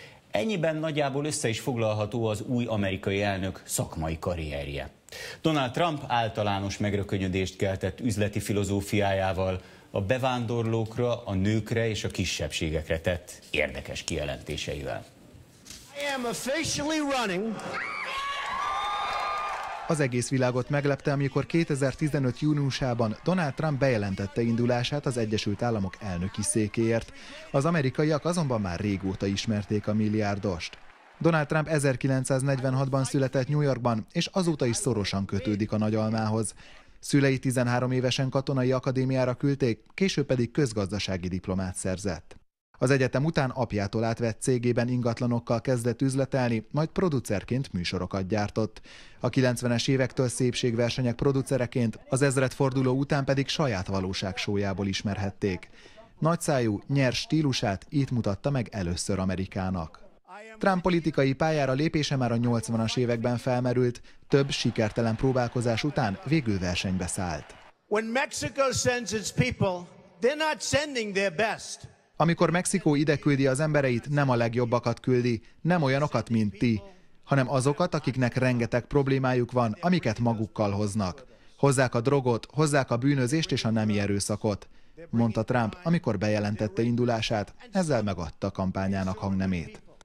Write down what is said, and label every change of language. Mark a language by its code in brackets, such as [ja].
[hu] Ennyiben nagyjából össze is foglalható az új amerikai elnök szakmai karrierje. Donald Trump általános megrökönyödést keltett üzleti filozófiájával, a bevándorlókra, a nőkre és a kisebbségekre tett érdekes kijelentéseivel. [en] I am officially running. [hu] Az egész világot meglepte, amikor 2015 júniusában Donald Trump bejelentette indulását az Egyesült Államok elnöki székéért. Az amerikaiak azonban már régóta ismerték a milliárdost. Donald Trump 1946-ban született New Yorkban, és azóta is szorosan kötődik a nagyalmához. Szülei 13 évesen katonai akadémiára küldték, később pedig közgazdasági diplomát szerzett. Az egyetem után apjától átvett cégében ingatlanokkal kezdett üzletelni, majd producerként műsorokat gyártott. A 90-es évektől szépségversenyek producereként, az ezredforduló után pedig saját valóságshowjából ismerhették. Nagyszájú, nyers stílusát itt mutatta meg először Amerikának. Trump politikai pályára lépése már a 80-as években felmerült, több sikertelen próbálkozás után végül versenybe szállt. [en] When Mexico sends its people, they're not sending their best. [hu] Amikor Mexikó ide küldi az embereit, nem a legjobbakat küldi, nem olyanokat, mint ti, hanem azokat, akiknek rengeteg problémájuk van, amiket magukkal hoznak. Hozzák a drogot, hozzák a bűnözést és a nemi erőszakot, mondta Trump, amikor bejelentette indulását, ezzel megadta kampányának hangnemét.